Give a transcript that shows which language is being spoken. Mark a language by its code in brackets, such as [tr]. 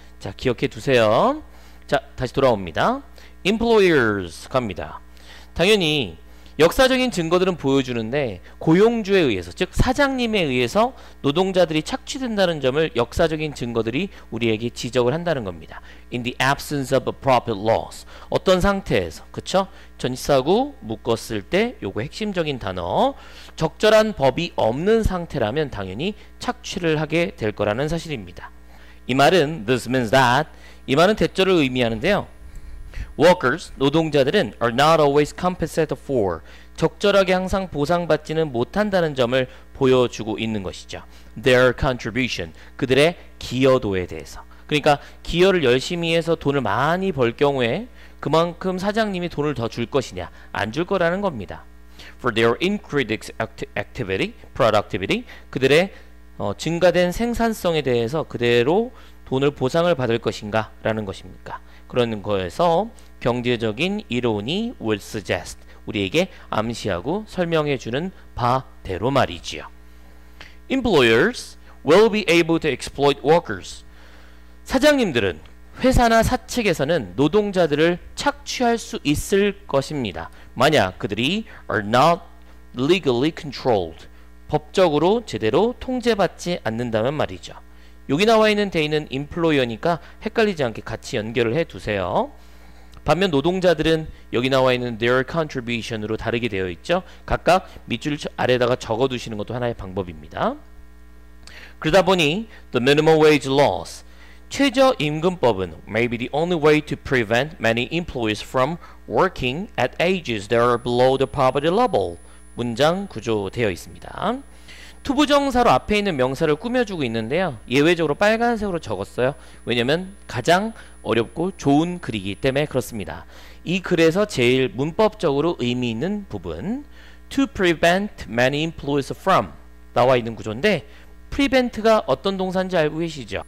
[ko] 자, 기억해 두세요. 자, 다시 돌아옵니다. employers 갑니다. 당연히 역사적인 증거들은 보여주는데 고용주에 의해서, 즉 사장님에 의해서 노동자들이 착취된다는 점을 역사적인 증거들이 우리에게 지적을 한다는 겁니다. [en] In the absence of appropriate laws. [ko] 어떤 상태에서, 그쵸? 전치사구 묶었을 때 요거 핵심적인 단어. 적절한 법이 없는 상태라면 당연히 착취를 하게 될 거라는 사실입니다. 이 말은 [en] this means that. [ko] 이 말은 대절을 의미하는데요. Workers, 노동자들은 [en] are not always compensated for. [ko] 적절하게 항상 보상받지는 못한다는 점을 보여주고 있는 것이죠. [en] Their contribution, [ko] 그들의 기여도에 대해서. 그러니까 기여를 열심히 해서 돈을 많이 벌 경우에 그만큼 사장님이 돈을 더 줄 것이냐? 안 줄 거라는 겁니다. [en] For their increased activity, productivity, [ko] 그들의 증가된 생산성에 대해서 그대로 돈을 보상을 받을 것인가? 라는 것입니까? 그런 거에서 경제적인 이론이 [en] will suggest, [ko] 우리에게 암시하고 설명해 주는 바대로 말이지요. [en] Employers will be able to exploit workers. [ko] 사장님들은 회사나 사측에서는 노동자들을 착취할 수 있을 것입니다. 만약 그들이 [en] are not legally controlled, [ko] 법적으로 제대로 통제받지 않는다면 말이죠. 여기 나와 있는 데이는 employer니까 헷갈리지 않게 같이 연결을 해 두세요. 반면 노동자들은 여기 나와 있는 [en] their contribution [ko] 으로 다르게 되어 있죠. 각각 밑줄 아래다가 적어 두시는 것도 하나의 방법입니다. 그러다 보니 [en] the minimum wage laws, [ko] 최저임금법은 [en] maybe the only way to prevent many employees from working at ages that are below the poverty level. [ko] 문장 구조되어 있습니다. 투부정사로 앞에 있는 명사를 꾸며주고 있는데요. 예외적으로 빨간색으로 적었어요. 왜냐면 가장 어렵고 좋은 글이기 때문에 그렇습니다. 이 글에서 제일 문법적으로 의미 있는 부분 [en] to prevent many employees from [ko] 나와 있는 구조인데 prevent가 어떤 동사인지 알고 계시죠?